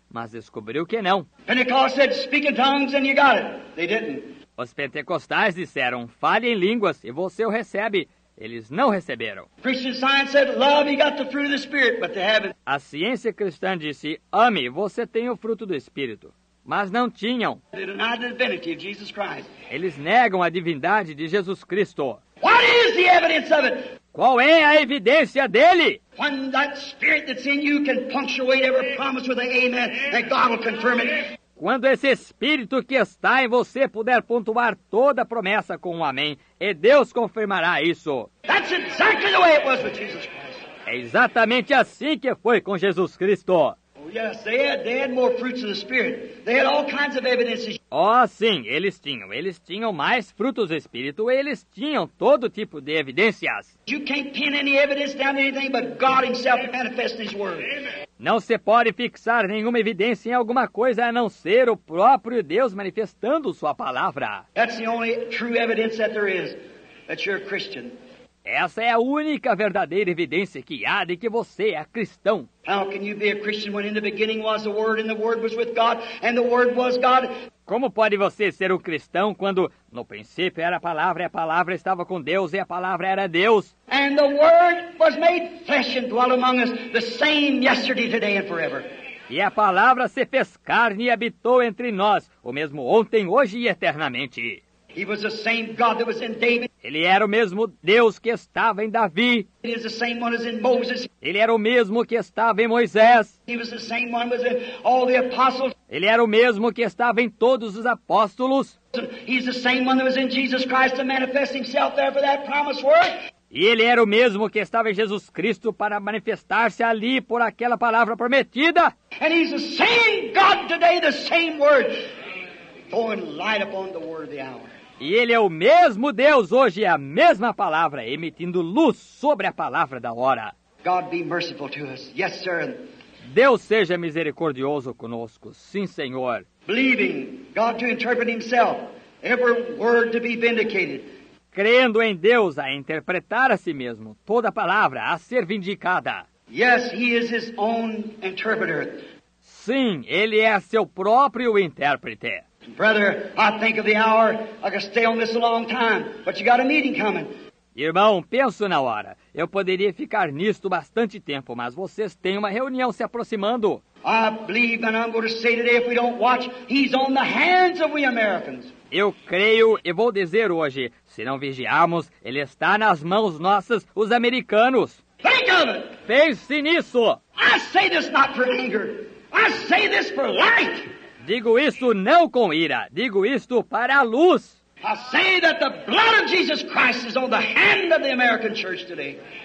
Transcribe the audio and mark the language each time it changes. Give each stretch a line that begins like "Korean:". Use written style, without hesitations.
Portuguese: Mas descobriu que não.
English: Pentecost said, speak in tongues and you got it. They didn't.
Portuguese: Os pentecostais disseram, fale em línguas e você o recebe. Eles não receberam.
English: Christian Science said, love, you got the fruit of the Spirit, but they haven't.
Portuguese: A ciência cristã disse, ame, você tem o fruto do Espírito. Mas não tinham.
English: They deny the divinity of Jesus Christ.
Portuguese: Eles negam a divindade de Jesus Cristo.
English: What is the evidence of it?
Portuguese: Qual é a evidência dele?
English: When that Spirit that's in you can punctuate every promise with an amen, that God will confirm it.
Portuguese: Quando esse Espírito que está em você puder pontuar toda a promessa com um amém, e Deus confirmará isso.
English: That's exactly the way it was with Jesus Christ.
Portuguese: É exatamente assim que foi com Jesus Cristo.
English: Oh, yes, they had more fruits of the Spirit. They had all kinds of evidences.
Portuguese: Oh, sim, eles tinham. Eles tinham mais frutos do Espírito. Eles tinham todo tipo de evidências.
English: You can't pin any evidence down to anything but God himself manifesting his word. Amen.
Portuguese: Não se pode fixar nenhuma evidência em alguma coisa a não ser o próprio Deus manifestando sua palavra.
English: That's the only true evidence that there is, that you're a Christian.
Portuguese: Essa é a única verdadeira evidência que há de que você é cristão.
English: How can you be a Christian when in the beginning was the Word and the Word was with God and the Word was God?
Portuguese: Como pode você ser um cristão quando no princípio era a palavra estava com Deus e a palavra era Deus?
English: And the Word was made flesh and dwelt among us, the same yesterday, today and forever.
Portuguese: E a palavra se fez carne e habitou entre nós, o mesmo ontem, hoje e eternamente.
English: He was the same God that was in David.
Portuguese: Ele era o mesmo Deus que estava em Davi.
English: He was the same one as in Moses.
Portuguese: Ele era o mesmo que estava em Moisés.
English: He was the same one as in all the apostles.
Portuguese: Ele era o mesmo que estava em todos os apóstolos.
English: He's the same one that was in Jesus Christ to manifest himself there for that promised word.
Portuguese: E ele era o mesmo que estava em Jesus Cristo para manifestar-se ali por aquela palavra prometida.
English: And he's the same God today, the same word, throwing light upon the word of the hour.
Portuguese: E ele é o mesmo Deus hoje, é a mesma palavra, emitindo luz sobre a palavra da hora.
English: God be merciful to us. Yes, sir.
Portuguese: Deus seja misericordioso conosco. Sim, Senhor.
English: Believing God to interpret himself, every word to be vindicated.
Portuguese: Crendo em Deus a interpretar a si mesmo, toda palavra a ser vindicada.
English: Yes, he is his own interpreter.
Portuguese: Sim, ele é seu próprio intérprete.
English: Brother, I think of the hour. I could stay on this a long time, but you got a meeting coming.
Portuguese: Irmão, penso na hora. Eu poderia ficar nisto bastante tempo, mas vocês têm uma reunião se aproximando.
English: I believe, and I'm going to say today, if we don't watch, he's on the hands of we Americans.
Portuguese: Eu creio e vou dizer hoje, se não vigiarmos, ele está nas mãos nossas, os americanos.
English: Think of it.
Portuguese: Pense nisso.
English: I say this not for anger. I say this for light.
Portuguese: Digo isto não com ira, digo isto para a luz.
English: I say that the blood of Jesus Christ is on the hand of the American church today.